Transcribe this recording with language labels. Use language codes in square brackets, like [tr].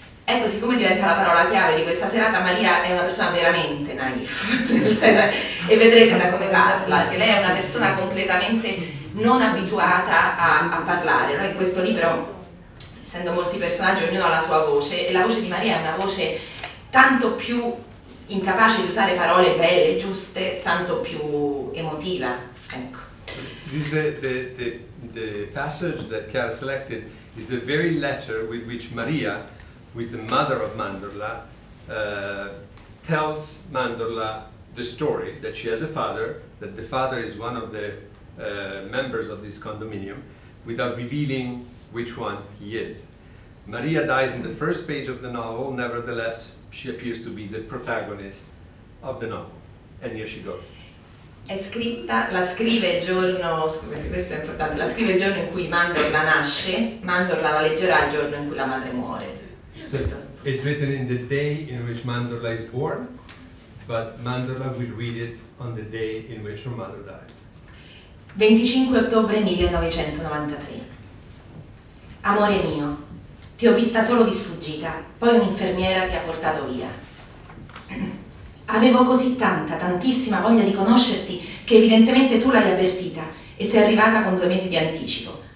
[it] Ecco, siccome diventa la parola chiave di questa serata, Maria è una persona veramente naif, e vedrete da come parla, che lei è una persona completamente non abituata a parlare, no? In questo libro, essendo molti personaggi, ognuno ha la sua voce, e la voce di Maria è una voce tanto più incapace di usare parole belle, giuste, tanto più emotiva, ecco. [en] This is the passage that Chiara selected is the very letter with which Maria, who is the mother of Mandorla, tells Mandorla the story that she has a father, that the father is one of the members of this condominium, without revealing which one he is. Maria dies in the first page of the novel, nevertheless, she appears to be the protagonist of the novel. And here she goes. [it] È scritta, la scrive il giorno, scusate, questo è importante, la scrive il giorno in cui Mandorla nasce, Mandorla la leggerà il giorno in cui la madre muore. [en] So it's written in the day in which Mandorla is born, but Mandorla will read it on the day in which her mother dies. [it] 25 ottobre 1993. Amore mio, ti ho vista solo di sfuggita, poi un'infermiera ti ha portato via. Avevo così tantissima voglia di conoscerti che evidentemente tu l'hai avvertita e sei arrivata con 2 mesi di anticipo.